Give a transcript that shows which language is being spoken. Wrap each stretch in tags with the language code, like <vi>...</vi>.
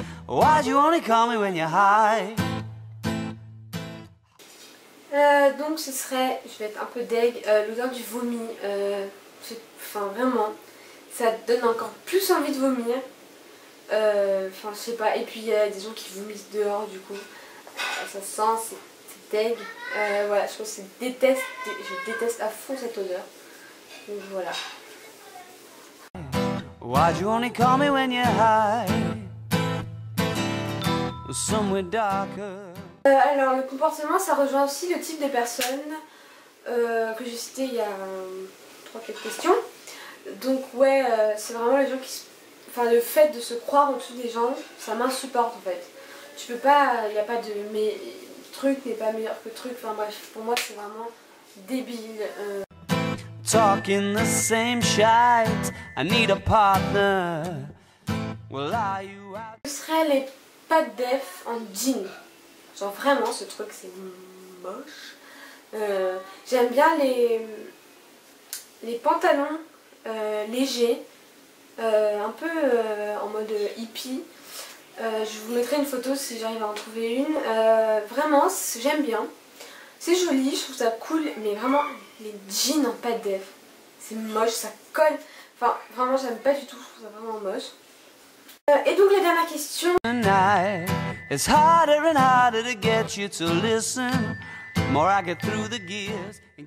<en>Why'd you only call me when you're high?</en> <fr>Donc ce serait, je vais être un peu deg, l'odeur du vomi. Enfin vraiment, ça donne encore plus envie de vomir. Enfin je sais pas, et puis il y a des gens qui vomissent dehors, du coup ça sent, c'est deg. Voilà, je pense que je déteste à fond cette odeur, donc voilà.</fr> <en>Why'd you only call me when you're high? Somewhere darker.</en> <fr>Alors le comportement, ça rejoint aussi le type de personnes que j'ai cité il y a 3-4 questions. Donc ouais, c'est vraiment les gens qui se... Enfin, le fait de se croire au-dessus des gens, ça m'insupporte en fait. Tu peux pas, il n'y a pas de... Mais truc n'est pas meilleur que truc. Enfin bref, pour moi c'est vraiment débile.</fr> <en>Talking the same shit, I need a partner. Well, are you out?</en> <fr>Ce serait les pattes d'eff en jean. Genre vraiment, ce truc c'est moche. J'aime bien les pantalons légers, un peu en mode hippie. Je vous mettrai une photo si j'arrive à en trouver une. Vraiment, j'aime bien. C'est joli, je trouve ça cool, mais vraiment les jeans en pâte d'ef, c'est moche, ça colle. Enfin, vraiment, j'aime pas du tout, je trouve ça vraiment moche. Et donc, la dernière question.</fr> <en>It's harder and harder to get you to listen. More I get through the gears.</en>